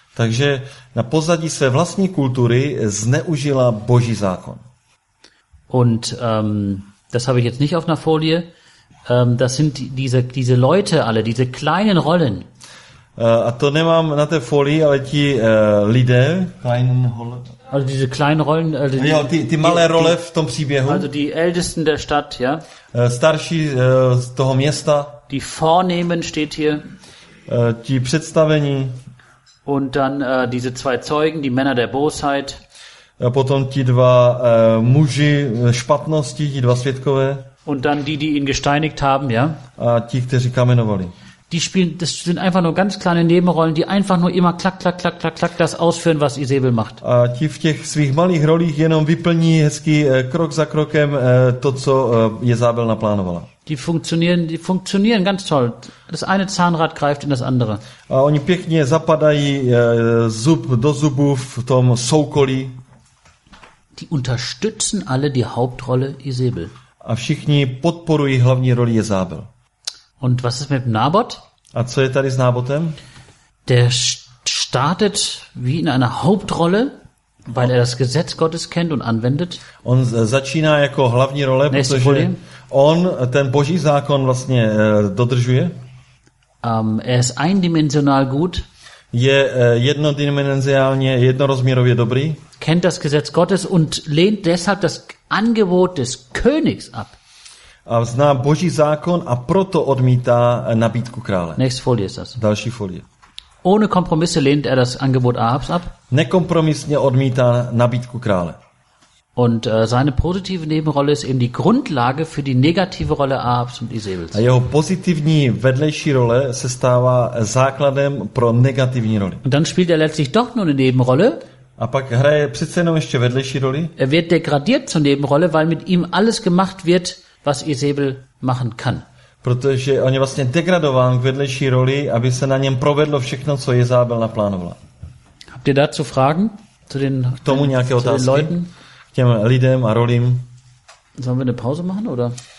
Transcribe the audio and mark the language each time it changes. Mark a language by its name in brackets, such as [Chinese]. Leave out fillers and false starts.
[Czech] Takže na pozadí své vlastní kultury zneužila Boží zákon. [German] Und das habe ich jetzt nicht auf einer Folie. Das sind diese Leute alle, diese kleinen Rollen. [Czech] A to nemám na té folii, ale ti lidé, [German] also diese kleinen Rollen, also [Czech] die, jo, ty malé role v tom příběhu. [German] Also die ältesten der Stadt, ja. [Czech] Starší z toho města. [German] Die Vornehmen steht hier. [Czech] Ti představení. [German] Und dann diese zwei Zeugen, die Männer der Bosheit. [Czech] Potom ti dva muži špatnosti, ti dva svědkové. [German] Und dann die, die ihn gesteinigt haben, ja. [Czech] A ti, kteří kamenovali. [German] Die spielen, das sind einfach nur ganz kleine Nebenrollen, die einfach nur immer klack, klack, klack, klack, klack das ausführen, was Isabel macht. [Czech] A ti v těch svých malých rolích jenom vyplní hezky krok za krokem to, co Jezabel naplánovala. [German] Die funktionieren ganz toll. Das eine Zahnrad greift in das andere. [Czech] A oni pěkně zapadají zub do zubu v tom soukolí. [German] Die unterstützen alle die Hauptrolle Isabel. [Czech] A všichni podporují hlavní roli Jezabel. [German] Und was ist mit Nabot? [Czech] A co je tady s Nabotem? [German] Der startet wie in einer Hauptrolle, weil er das Gesetz Gottes kennt und anwendet. [Czech] On začíná jako hlavní role, protože on ten Boží zákon vlastně dodržuje. [German] Er ist eindimensional gut. [Czech] Je jednodimenzionálně, jednorozměrově dobrý. [German] Kennt das Gesetz Gottes und lehnt deshalb das Angebot des Königs ab. [Czech] A zná Boží zákon a proto odmítá nabídku krále. [German] Next folie ist das. [Czech] Další folie. [German] Ohne Kompromisse lehnt er das Angebot Ahabs ab. [Czech] Nekompromisně odmítá nabídku krále. [German] Und seine positive Nebenrolle ist eben die Grundlage für die negative Rolle Ahabs und Isabels. [Czech] A jeho pozitivní vedlejší role se stává základem pro negativní roli. [German] Und dann spielt er letztlich doch nur eine Nebenrolle. [Czech] A pak hraje přece jenom ještě vedlejší roli. [German] Er wird degradiert zur Nebenrolle, weil mit ihm alles gemacht wird, was Isabel machen kann. [Czech] Protože on je vlastně degradován k vedlejší roli, aby se na něm provedlo všechno, co Jezabel naplánovala. [German] Habt ihr dazu Fragen zu den [Czech] k tomu nějaké otázky? [German] Leuten? [Czech] K těm lidem a rolím? [German] Sollen wir eine Pause machen, oder?